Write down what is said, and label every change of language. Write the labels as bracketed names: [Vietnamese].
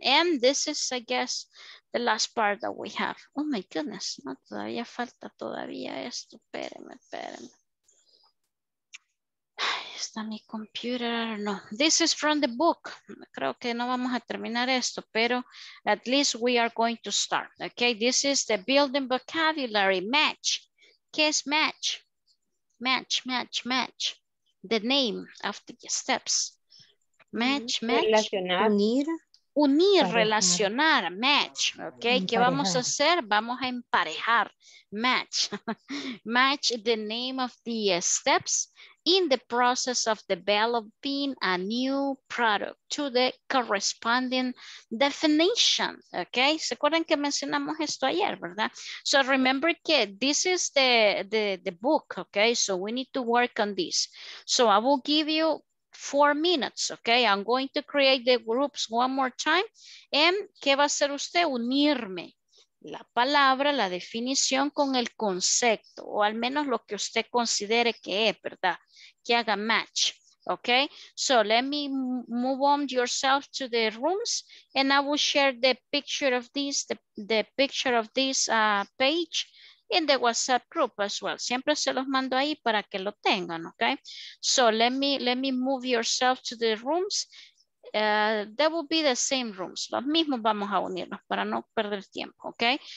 [English] And this is, I guess, the last part that we have. Oh my goodness, [Spanish] no, todavía falta todavía esto. Espérenme, espérenme. Está mi computer, no. [English] This is from the book. [Spanish] Creo que no vamos a terminar esto, pero [English] at least we are going to start. Okay, this is the building vocabulary, match. [Spanish] ¿Qué es match? [English] Match, match, match. The name after the steps. Match, match. [Spanish] Relacionar. Unir. Unir, relacionar. Match. Ok, emparejar. ¿Qué vamos a hacer? Vamos a emparejar. Match. [English] Match the name of the steps in the process of developing a new product to the corresponding definition. [Spanish] Ok, ¿se acuerdan que mencionamos esto ayer, verdad? [English] So remember que this is the book, ok? So we need to work on this. So I will give you 4 minutes, ok? I'm going to create the groups one more time. [Spanish] And ¿qué va a hacer usted? Unirme la palabra, la definición con el concepto, o al menos lo que usted considere que es, ¿verdad? Que haga match, ok? [English] So let me move on yourself to the rooms and I will share the picture of this, the picture of this page in the WhatsApp group as well. [Spanish] Siempre se los mando ahí para que lo tengan, ok? [English] So let me move yourself to the rooms. There will be the same rooms. [Spanish] Los mismos vamos a unirnos para no perder tiempo, ok?